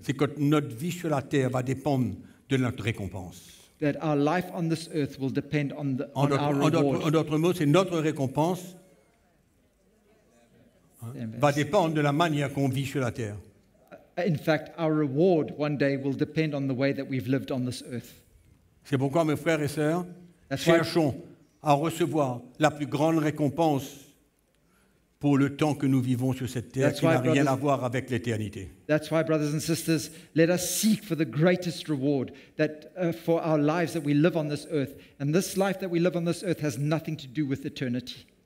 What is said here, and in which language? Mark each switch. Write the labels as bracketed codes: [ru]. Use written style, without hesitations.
[fr] C'est que notre vie sur la terre va dépendre de notre récompense. [en] That our life on this earth will depend on the on our reward. [fr] En d'autres mots, c'est notre récompense va dépendre de la manière qu'on vit sur la terre. [en] In fact, our reward one day will depend on the way that we've lived on this earth. [fr] C'est pourquoi mes frères et sœurs, cherchons à recevoir la plus grande récompense pour le temps que nous vivons sur cette terre qui n'a rien à voir avec l'éternité. [en] That's why, brothers and sisters, let us seek for the greatest reward that for our lives that we live on this earth. And this life that we live on this earth has nothing to do with eternity.